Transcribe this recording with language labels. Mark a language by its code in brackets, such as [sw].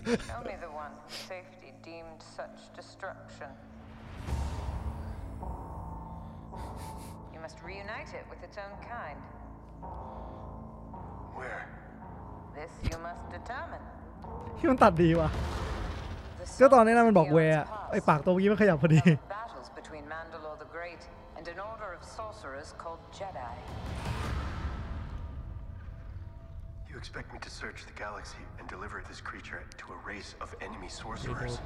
[en] Tell me the one safety deemed such destruction. You must reunite it with its own kind. Where? This you must determine. [th] ที่มันตัดดีว่ะก็ตอนนี้นะมันบอกแวร์ไอ้ปากตัวเมื่อกี้มันขยับพอดี [en] Battles between Mandalore the Great and an order of sorcerers called Jedi. You expect me to search the galaxy and deliver this creature to a race of enemy sorcerers?